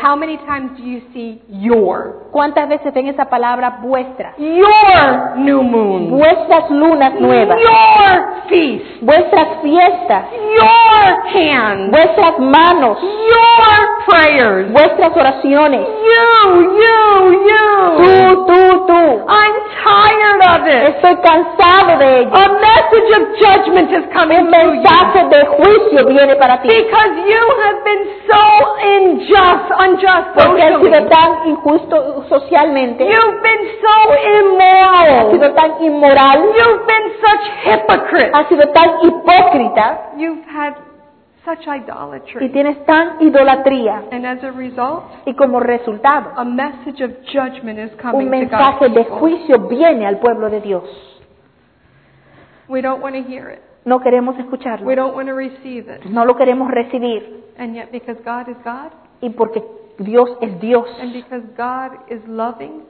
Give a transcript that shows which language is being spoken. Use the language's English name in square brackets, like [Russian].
[English] How many times do you see your? [Spanish] ¿Cuántas veces ven esa palabra vuestra? [English] Your new moon. [Spanish] Vuestras lunas nuevas. [English] Your feast. [Spanish] Vuestras fiestas. [English] Your hands. [Spanish] Vuestras manos. [English] Your prayers. [Spanish] Vuestras oraciones. [English] You, you, you. [Spanish] Tú, tú, tú. [English] I'm tired of it. [Spanish] Estoy cansado de ello. [English] A message of judgment is coming. [Spanish] Un mensaje de juicio. Viene para ti. [English] Because you have been so unjust socially. [Spanish] Porque has sido tan injusto socialmente. [English] You've been so immoral. [Spanish] Has sido tan inmoral. [English] You've been such hypocrite. [Spanish] Has sido tan hipócrita. [English] You've had such idolatry. [Spanish] Y tienes tan idolatría. [English] And as a result, [Spanish] y como resultado, [English] a message of judgment is coming to God. [Spanish] Un mensaje de juicio viene al pueblo de Dios. [English] We don't want to hear it. [Spanish] No queremos escucharlo. [English] We don't want to receive it. [Spanish] No lo queremos recibir. [English] And yet because God is God, [Spanish] y porque Dios es Dios. [English] And because God is loving,